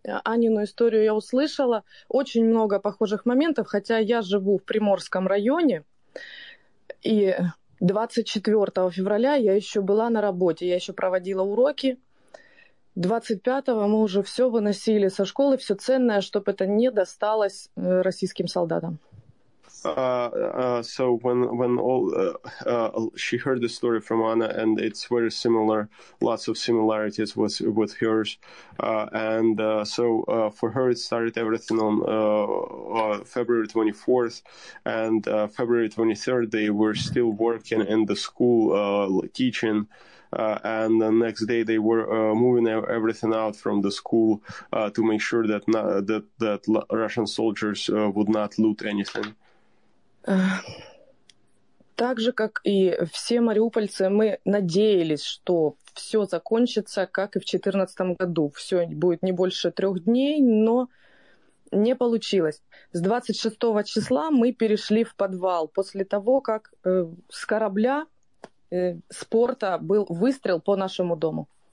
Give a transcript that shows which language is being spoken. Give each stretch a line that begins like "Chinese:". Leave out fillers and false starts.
Russian: Анину историю я услышала. Очень много похожих моментов, хотя я живу в Приморском районе, и 24 февраля я еще была на работе, я еще проводила уроки. 25-го мы уже все выносили со школы, все ценное, чтобы это не досталось российским солдатам.
English: So when all she heard the story from Anna, and it's very similar, lots of similarities with hers, and for her it started everything on February 24th, and February 23rd they were still working in the school teaching. And the next day they were moving everything out from the school to make sure that that Russian soldiers would not loot anything.
Russian: Так же, как и все мариупольцы, мы надеялись, что все закончится, как и в 2014 году. Все будет не больше 3 дней, но не получилось. С 26 числа мы перешли в подвал после того, как с корабля, с порта был выстрел по нашему дому.